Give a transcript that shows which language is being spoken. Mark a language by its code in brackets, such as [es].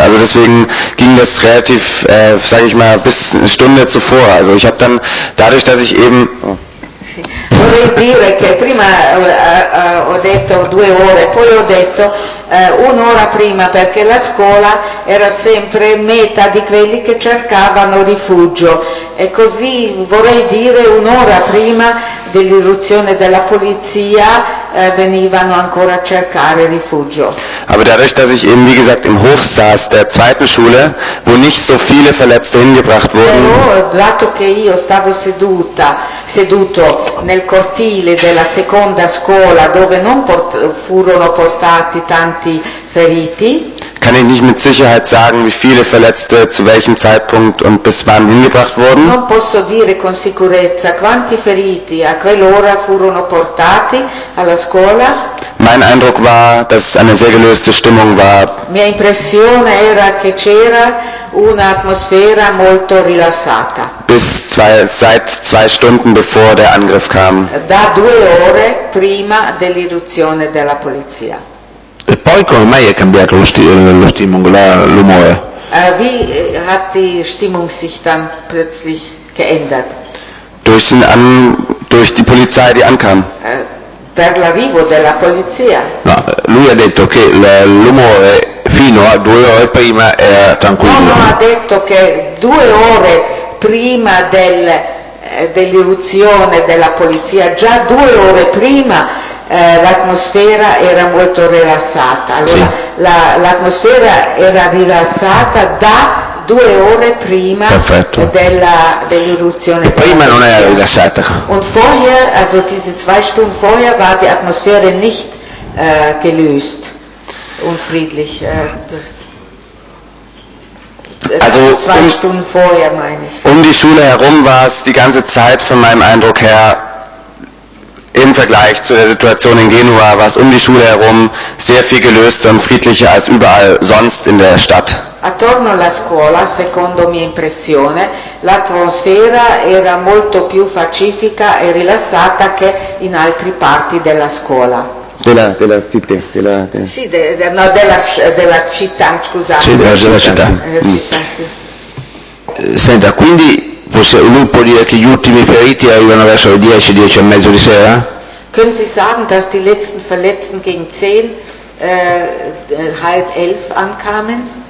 [de] Also deswegen ging das relativ, sage ich mal, bis eine Stunde zuvor. Also ich habe dann dadurch, dass ich eben... [it] Vorrei dire che prima ho detto due ore, poi ho detto un'ora prima, perché la scuola era sempre meta di quelli che cercavano rifugio. E così vorrei dire un'ora prima dell'irruzione della polizia venivano ancora a cercare rifugio. [de] Aber dadurch, dass ich eben, wie gesagt, im Hof saß der zweiten Schule, wo nicht so viele Verletzte hingebracht wurden. [it] Dato che io stavo seduto nel cortile della seconda scuola, dove non furono portati tanti feriti, [de] kann ich nicht mit Sicherheit sagen, wie viele Verletzte zu welchem Zeitpunkt und bis wann hingebracht wurden. [it] Non posso dire con sicurezza quanti feriti a quell'ora furono portati alla scuola. [de] Mein Eindruck war, dass es eine sehr gelöste Stimmung war. [it] Mia impressione era che c'era un'atmosfera molto rilassata. [de] Seit zwei Stunden bevor der Angriff kam. [it] Da due ore prima dell'irruzione della polizia. E poi come mai è cambiato lo stimmung, l'umore? [de] Wie hat die Stimmung sich dann plötzlich geändert? durch den an durch die Polizei, die ankam. [it] Per l'arrivo della polizia. No, lui ha detto che l'umore fino a due ore prima era tranquillo. No, ha detto che due ore prima dell'irruzione della polizia, già due ore prima l'atmosfera era molto rilassata. Allora, sì. L'atmosfera era rilassata da due ore prima dell'irruzione. Prima non era rilassata. [de] Und vorher, also diese zwei Stunden vorher, war die Atmosphäre nicht gelöst und friedlich. Also zwei Stunden vorher meine ich. Um die Schule herum war es die ganze Zeit von meinem Eindruck her. Im Vergleich zu der Situation in Genua war es um die Schule herum sehr viel gelöster und friedlicher als überall sonst in der Stadt. [it] Attorno alla scuola, secondo mia impressione, l'atmosfera era molto più pacifica e rilassata che in altri parti della scuola. Della città, della. Sì, della città, scusate. Sì, della città. Senta, quindi. Forse lui può dire che gli ultimi feriti arrivano verso le 10 e mezzo di sera? [de] Können Sie sagen, dass die letzten Verletzten gegen 10 halb 11 ankamen?